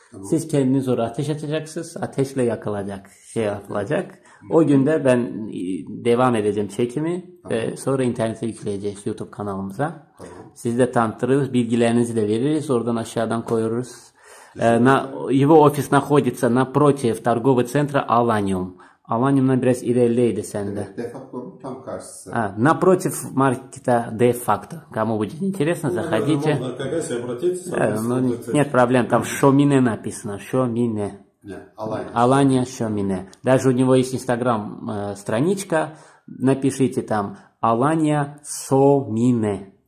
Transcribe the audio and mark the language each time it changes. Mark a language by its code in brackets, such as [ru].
[tr] Siz kendiniz oraya ateş atacaksınız, ateşle yakılacak, şey yapılacak. O günde ben devam edeceğim çekimi ve sonra internete yükleyeceğiz YouTube kanalımıza. Sizi de tanıtırız, bilgilerinizi de veririz, oradan aşağıdan koyuyoruz. [ru] Его офис находится напротив торгового центра Аланиум. [tr] Аланиум на biraz ilerleydi sende. [ru] Дефактору там кажется. Напротив маркета Дефакто. Кому будет интересно, заходите. Ну, да, можно обратиться. Нет проблем, там Шомине написано. Шомине. Алания Шомине. Даже у него есть Инстаграм страничка. Напишите там Алания Шомине.